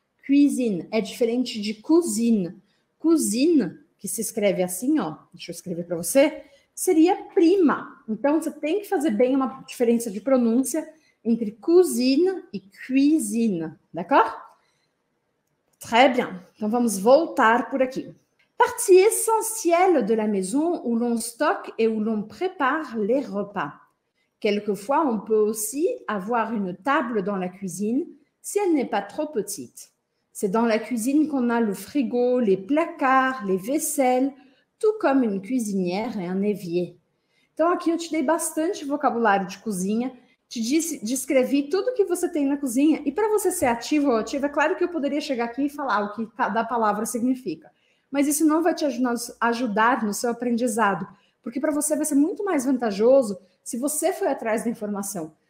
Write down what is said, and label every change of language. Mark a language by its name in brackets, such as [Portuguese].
[Portuguese] Cuisine é diferente de cuisine. Cuisine, que se escreve assim, ó. Deixa eu escrever para você. Seria prima. Então, você tem que fazer bem uma diferença de pronúncia entre cuisine e cuisine. [French] D'accord? Très bien. [Portuguese] Então, vamos voltar por aqui. [French] Partie essentielle de la maison où l'on stocke et où l'on prépare les repas. Quelquefois, on peut aussi avoir une table dans la cuisine si elle n'est pas trop petite. C'est dans la cuisine qu'on a le frigo, les placards, les vaisselles, tout comme une cuisinière et un évier. [Portuguese] Então, aqui eu te dei bastante vocabulário de cozinha, te disse, descrevi tudo que você tem na cozinha. E para você ser ativo ou ativa, é claro que eu poderia chegar aqui e falar o que cada palavra significa. Mas isso não vai te ajudar no seu aprendizado, porque para você vai ser muito mais vantajoso se você for atrás da informação.